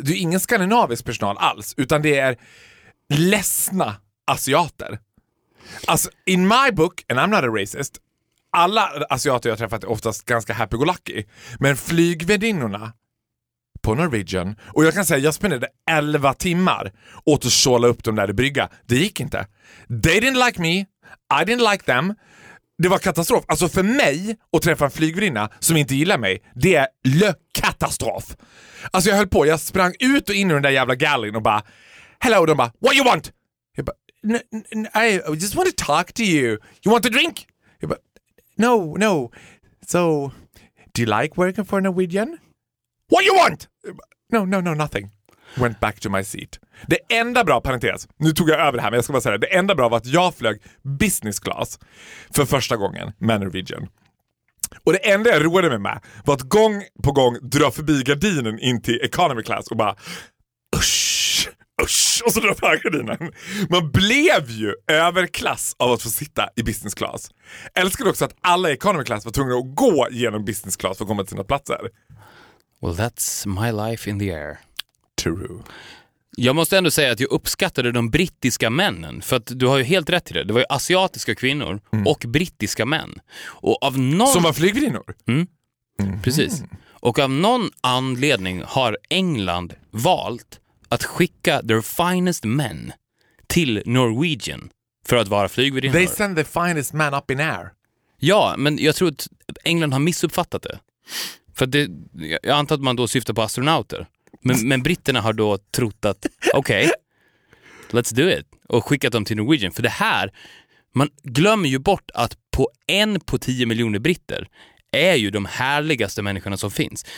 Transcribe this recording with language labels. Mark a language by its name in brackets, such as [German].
[Swedish] Det är ingen skandinavisk personal alls, utan det är ledsna asiater. Alltså, [English] in my book, and I'm not a racist, [Swedish] alla asiater jag har träffat är oftast ganska happy-go-lucky. Men flygvärdinnorna på Norwegian, och jag kan säga, jag spenderade 11 timmar åt att såla upp dem där i brygga. Det gick inte. [English] They didn't like me, I didn't like them. [Swedish] Det var katastrof. Alltså för mig att träffa en flygvärdinna som inte gillar mig, det är lökatastrof. Alltså jag höll på, jag sprang ut och in i den där jävla galleryn och bara, [English] hello, [Swedish] och de bara, [English] what you want? [Swedish] Jag bara, [English] I just want to talk to you. You want a drink? [Swedish] Jag bara, [English] no. So, do you like working for Norwegian? What you want? No, nothing. Went back to my seat. [Swedish] Det enda bra, parentes, nu tog jag över det här, men jag ska bara säga det. Det enda bra var att jag flög business class för första gången med Norwegian. Och det enda jag roade mig med var att gång på gång dra förbi gardinen in till economy class och bara, usch, och så drar jag gardinen. Man blev ju överklass av att få sitta i business class. Älskade också att alla i economy class var tvungna att gå genom business class för att komma till sina platser. [English] Well, that's my life in the air. True. [Swedish] Jag måste ändå säga att jag uppskattade de brittiska männen. För att du har ju helt rätt i det. Det var ju asiatiska kvinnor och brittiska män. Och av någon... Som var flygvärdinnor? Precis. Och av någon anledning har England valt att skicka [English] their finest men [Swedish] till Norwegian för att vara flygvärdinnor. [English] They send the finest man up in air. [Swedish] Ja, men jag tror att England har missuppfattat det. För det, jag antar att man då syftar på astronauter. Men britterna har då trott att okej, [English] okay, let's do it. [Swedish] Och skickat dem till Norwegian. För det här, man glömmer ju bort att på 1 på 10 miljoner britter är ju de härligaste människorna som finns.